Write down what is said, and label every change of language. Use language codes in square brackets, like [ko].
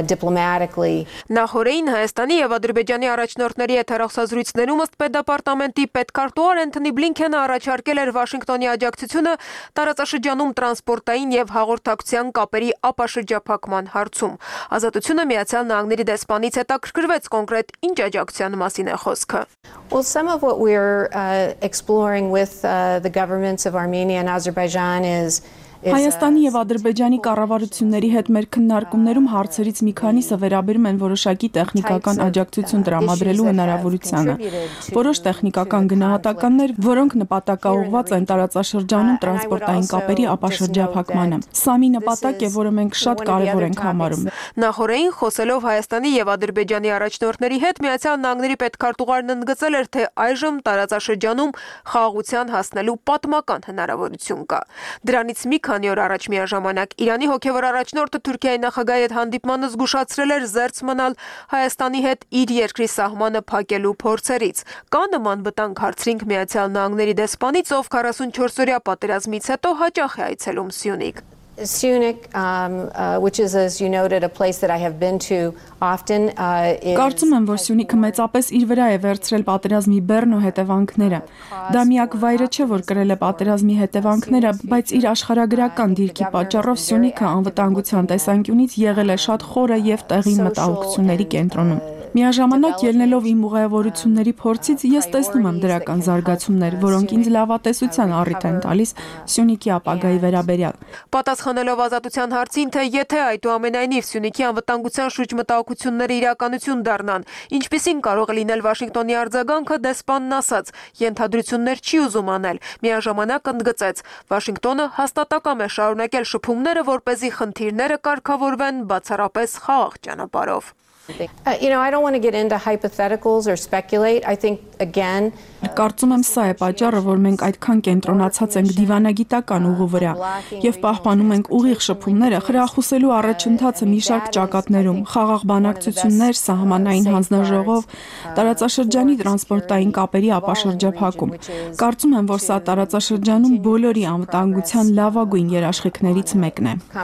[hy] Նախորդին Հայաստանի և Ադրբեջանի առաջնորդների հետ հեռախոսազրույցներում ըստ Պետդեպարտամենտի պետքարտուղար Էնթոնի Բլինքենը առաջարկել էր Վաշինգտոնի աջակցությունը տարածաշրջանում տրանսպորտային և հաղորդակցության կապերի ապաշրջափակման հարցում։ Ազատությունը Միացյալ Նահանգների դեսպանից հետաքրքրվեց կոնկրետ ինչ աջակցության մասին է խոսքը։ [en] Well, some of what we're exploring with the governments of Armenia and Azerbaijan is [hy] Հայաստանի և Ադրբեջանի կառավարությունների հետ մեր քննարկումներում հարցերից մի քանիսը վերաբերում են որոշակի տեխնիկական աջակցություն տրամադրելու հնարավորությանը, որոշ տեխնիկական գնահատականներ, որոնք նպատակաուղված են տարածաշրջանում տրանսպորտային կապերի ապաշրջափակմանը։ Սա մի նպատակ է, որը մենք շատ կարևոր ենք համարում։ Նախորդին, խոսելով Հայաստանի և Ադրբեջանի առաջնորդների հետ, Միացյալ Նահանգների պետքարտուղարն ընդգծել էր, թե այժմ տարածաշրջանում խաղաղության հասնելու պատմական հնարավորություն կա։ Դրանից մի քանի օր առաջ միաժամանակ Իրանի հոգևոր առաջնորդը Թուրքիայի նախագահի հետ հանդիպմանը զգուշացրել էր զերծ մնալ Հայաստանի հետ իր երկրի սահմանը փակելու փորձերից։ Կա նման վտանգ, հարցրինք Միացյալ Նահանգների դեսպանից, ով 44 օրյա պատերազմից հետո հաճախ է այցելում Սյունիք։ [en] Սյունիք, which is as you noted a place that I have been to often, is [hy] Կարծում եմ, որ Սյունիքը մեծապես իր վրա է վերցրել պատերազմի բեռն ու հետևանքները։ Դա միակ վայրը չէ, որ կրել է պատերազմի հետևանքները, բայց իր աշխարհագրական դիրքի պատճառով Սյունիքը անվտանգության տեսանկյունից եղել է շատ խորը և տեղին մտահոգությունների կենտրոնում։ Միաժամանակ ելնելով իմ ուղևորությունների փորձից, ես տեսնում եմ դրական զարգացումներ, որոնք ինձ լավատեսության առիթ են տալիս Սյունիքի ապագայի վերաբերյալ։ Պատասխանելով ազատության հարցին, թե եթե այդուամենայնիվ Սյունիքի անվտանգության շուրջ մտահոգությունները իրականություն դառնան, ինչպեսին կարող է լինել Վաշինգտոնի արձագանքը, դեսպանն ասաց. Ենթադրություններ չի ուզում անել, միաժամանակ ընդգծեց. Վաշինգտոնը հաստատակամ է շարունակել շփումները, որպեսզի խնդիրները կարգավորվեն բացառապես խաղաղ ճանապարհով։ [en] I don't want to get into hypotheticals or speculate. I think again, [hy] կարծում եմ սա է պատճառը, որ մենք այդքան կենտրոնացած ենք դիվանագիտական ուղու վրա եւ պահպանում ենք ուղիղ շփումները խրախուսելու առաջընթացը մի շարք ճակատներում՝ խաղաղ բանակցություններ, սահմանային հանձնաժողով, տարածաշրջանի տրանսպորտային կապերի ապաշրջափակում։ Կարծում եմ, որ սա տարածաշրջանում բոլորի անվտանգության լավագույն երաշխիքներից մեկն է։